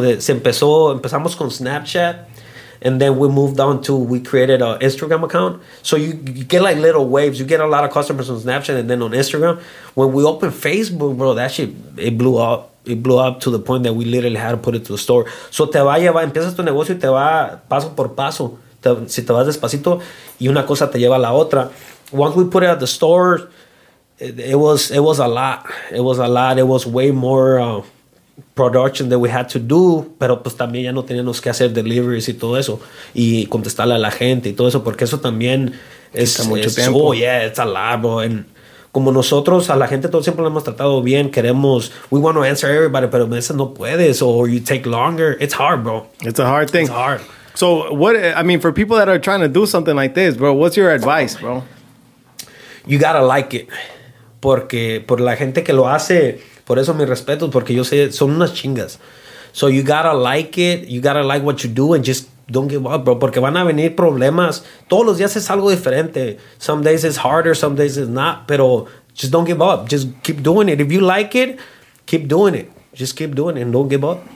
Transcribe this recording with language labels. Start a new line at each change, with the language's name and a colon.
Spanish: Empezamos con Snapchat.
English: And then we moved on to, we created an Instagram account. So, you get like little waves. You get a lot of customers on Snapchat and then on Instagram. When we opened Facebook, bro, that shit, it blew up. It blew up to the point that we literally had to put it to the store.
Spanish: So, te va a llevar, empiezas tu negocio y te va paso por paso. Si te vas despacito y una cosa te lleva a la otra.
English: Once we put it at the store, it was a lot. It was way more production that we had to do,
Spanish: pero pues también ya no teníamos que hacer deliveries y todo eso y contestarle a la gente y todo eso, porque eso también es mucho tiempo.
English: Oh yeah, it's a lot, bro. And
Spanish: como nosotros a la gente todo siempre lo hemos tratado bien, queremos,
English: we want to answer everybody,
Spanish: pero a veces no puedes,
English: or you take longer. It's hard, bro. It's a hard thing. It's hard. So, what, I mean, for people that are trying to do something like this, bro, what's your advice, bro? You gotta like it.
Spanish: Porque, por la gente que lo hace, por eso mi respeto, porque yo sé, son unas chingas.
English: So, you gotta like it, you gotta like what you do, and just don't give up, bro,
Spanish: porque van a venir problemas. Todos los días es algo diferente.
English: Some days it's harder, some days it's not, pero just don't give up. Just keep doing it. If you like it, keep doing it. Just keep doing it, and don't give up.